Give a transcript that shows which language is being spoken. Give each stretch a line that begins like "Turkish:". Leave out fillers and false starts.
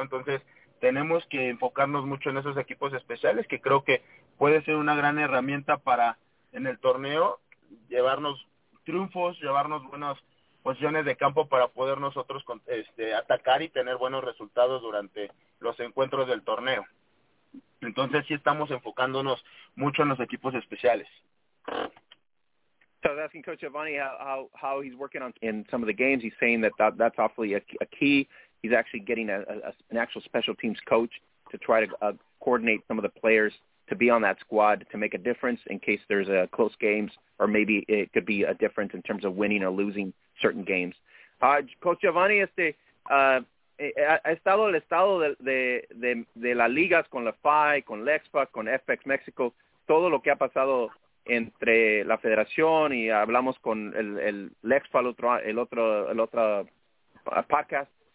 Spanish: Entonces tenemos que enfocarnos mucho en esos equipos especiales, que creo que puede ser una gran herramienta para en el torneo llevarnos triunfos, llevarnos buenas posiciones de campo para poder nosotros atacar y tener buenos resultados durante los encuentros del torneo. Entonces sí estamos enfocándonos mucho en los equipos especiales.
English: So I was asking Coach Giovanni how he's working on in some of the games. He's saying that's awfully a key. He's actually getting an actual special teams coach to try to coordinate some of the players to be on that squad to make a difference in case there's a close games, or maybe it could be a difference in terms of winning or losing certain games.
Spanish: Coach Giovanni, ha estado el estado de las ligas con la FAI, con Lexpa, con FX México, todo lo que ha pasado entre la federación, y hablamos con el Lexpa el otro podcast.